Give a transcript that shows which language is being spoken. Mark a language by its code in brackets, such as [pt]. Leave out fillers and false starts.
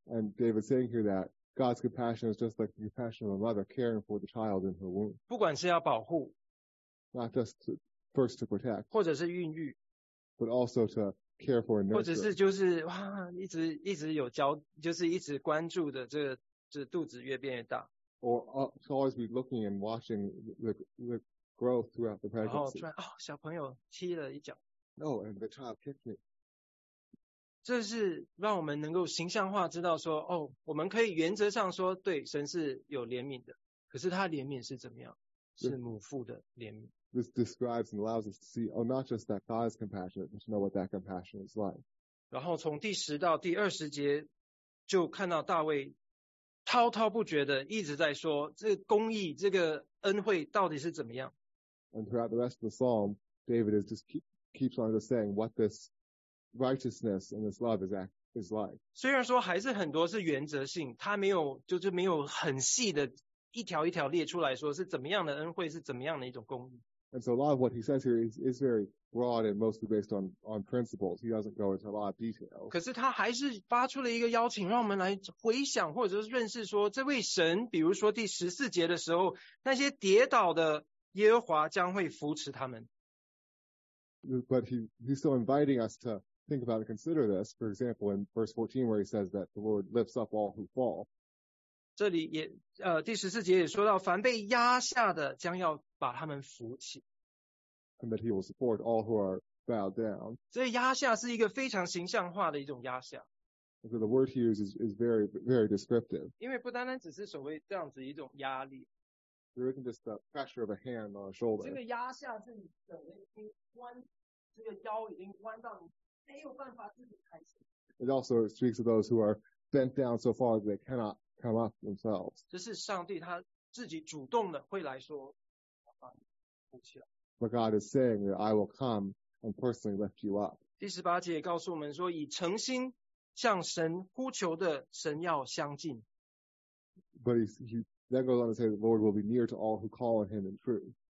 [en] And David saying here that God's compassion is just like the compassion of a mother caring for the child in her womb. [zh] 不管是要保护 [en] ，not just to, first to protect， [zh] 或者是孕育 [en] ，but also to care for and nurture， [zh] 或者是就是哇，一直有焦，就是一直关注的这肚子越变越大。 [en] Or to always be looking and watching the growth throughout the pregnancy. [zh] 然后突然，哦，小朋友踢了一脚。 [en] No, and the child kicked me. [zh] 这是让我们能够形象化知道说，哦，我们可以原则上说，对，神是有怜悯的。可是他怜悯是怎么样？是母父的怜悯。 [en] This describes and allows us to see, oh, not just that God is compassionate, but to know what that compassion is like. [zh] 然后从第十到第二十节，就看到大卫滔滔不绝的一直在说这个公义这个恩惠到底是怎么样。 [en] And throughout the rest of the psalm, David is just keeps on just saying what this righteousness and this love is like. [zh] 虽然说还是很多是原则性，他没有就是没有很细的一条一条列出来说是怎么样的恩惠，是怎么样的一种公义。 [en] And so a lot of what he says here is very broad and mostly based on principles. He doesn't go into a lot of detail. [zh] 可是他还是发出了一个邀请，让我们来回想或者是认识说这位神，比如说第十四节的时候，那些跌倒的耶和华将会扶持他们。 [en] But he's still inviting us to think about and consider this. For example, in verse 14, where he says that the Lord lifts up all who fall. [zh] 这里也第十四节也说到，凡被压下的将要把他们扶起。 [en] And that he will support all who are bowed down. [zh] 所以压下是一个非常形象化的一种压下。 [en] So the word he uses is very, very descriptive. [zh] 因为不单单只是所谓这样子一种压力。 [en] There isn't just the pressure of a hand on a shoulder. [zh] 这个压下是你整个已经弯，这个腰已经弯到你没有办法自己抬起。 [en] It also speaks of those who are bent down so far that they cannot come up themselves. [zh] 这是上帝他自己主动的会来说。 [en] But God is saying that I will come and personally lift you up. [zh] 第十八节也告诉我们说，以诚心向神呼求的神要相近。 [en] But he then goes on to say the Lord will be near to all who call on Him in truth.